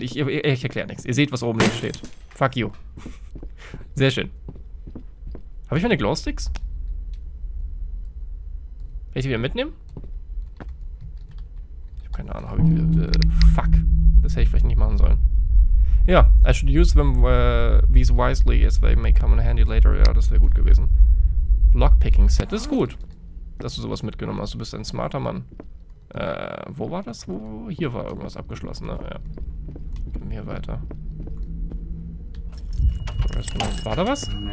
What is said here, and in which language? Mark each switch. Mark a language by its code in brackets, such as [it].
[de] Ich erkläre nichts. Ihr seht, was oben links steht. Fuck you. Sehr schön. Habe ich meine Glowsticks? Kann ich die wieder mitnehmen? Ich habe keine Ahnung. Fuck. Das hätte ich vielleicht nicht machen sollen. [en] Ja, yeah, I should use them these wisely as they may come in handy later. [de] Ja, das wäre gut gewesen. Lockpicking Set, das ist gut, dass du sowas mitgenommen hast. Du bist ein smarter Mann. Wo war das? Wo? Hier war irgendwas abgeschlossen, ne? Ja. Gehen wir weiter. War da was?